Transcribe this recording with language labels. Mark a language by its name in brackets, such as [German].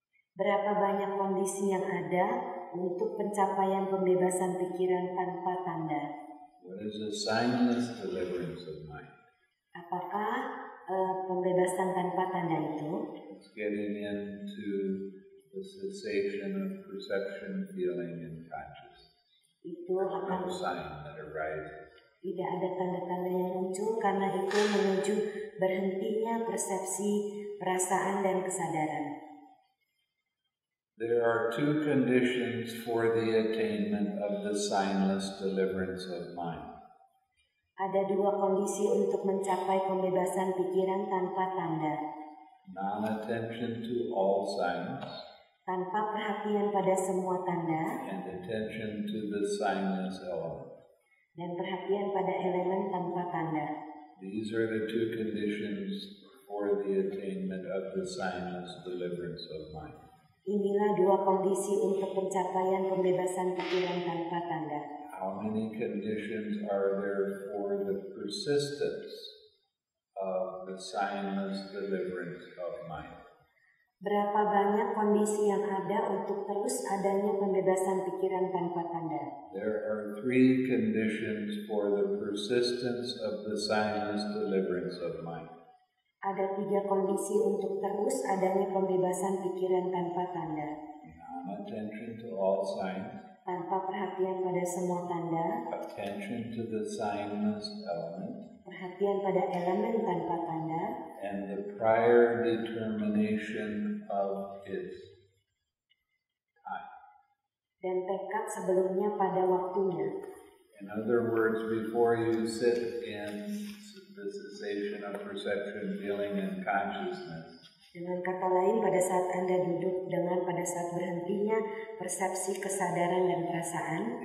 [Indonesian] Berapa banyak kondisi yang ada untuk pencapaian pembebasan pikiran tanpa tanda? [English] What is a signless deliverance of mind? [Indonesian] Apakah pembebasan tanpa tanda itu? [English] It's getting into the cessation of perception, feeling, and consciousness. [Indonesian] Itu apa? [English] No sign that arises. [Indonesian] Tidak ada tanda-tanda yang muncul karena itu menuju berhentinya persepsi, perasaan, dan kesadaran. [English] There are two conditions for the attainment of the signless deliverance of mind. [Indonesian] Ada dua kondisi untuk mencapai pembebasan pikiran tanpa tanda. [English] Non-attention to all signs. [Indonesian] Tanpa perhatian pada semua tanda. [English] And attention to the signless element. [Indonesian] Dan perhatian pada elemen tanpa tanda. [English] These are the two conditions for the attainment of the signless deliverance of mind. [Indonesian] Inilah dua kondisi untuk pencapaian pembebasan pikiran tanpa tanda. [English] How many conditions are there for the persistence of the signless deliverance of mind? [Indonesian] Berapa banyak kondisi yang ada untuk terus adanya pembebasan pikiran tanpa tanda? [English] There are three conditions for the persistence of the signless deliverance of mind. [Indonesian] Ada tiga kondisi untuk terus adanya pembebasan pikiran tanpa tanda. [English] Non-attention to all signs. [Indonesian] Tanpa perhatian pada semua tanda. [English] Attention to the signless element. [Indonesian] Perhatian pada elemen tanpa tanda. [English] And the prior determination of its time. [Indonesian] Dan tekad sebelumnya pada waktunya. [English] In other words, before you sit in the cessation of perception, feeling, and consciousness. [Indonesian] Dengan kata lain, pada saat Anda duduk dengan pada saat berhentinya persepsi, kesadaran, dan perasaan.